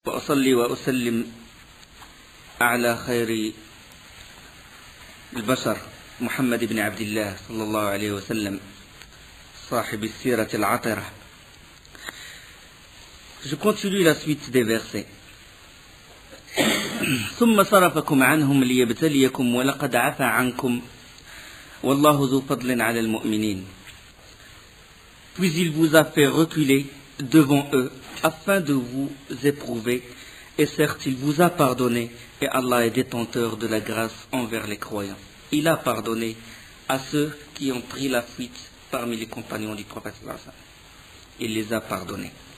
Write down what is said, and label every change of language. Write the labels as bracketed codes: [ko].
[ar] وأصلي وأسلم على خير البشر محمد بن عبد الله صلى الله عليه وسلم صاحب السيرة العطرة. [fr] Je continue la suite des versets. [ar] ثم صرفكم عنهم ليبتليكم ولقد عفا عنكم والله ذو فضل على المؤمنين. [fr] Puis il vous a fait reculer devant eux afin de vous éprouver, et certes il vous a pardonné, et Allah est détenteur de la grâce envers les croyants. Il a pardonné à ceux qui ont pris la fuite parmi les compagnons du prophète Allah. Il les a pardonnés.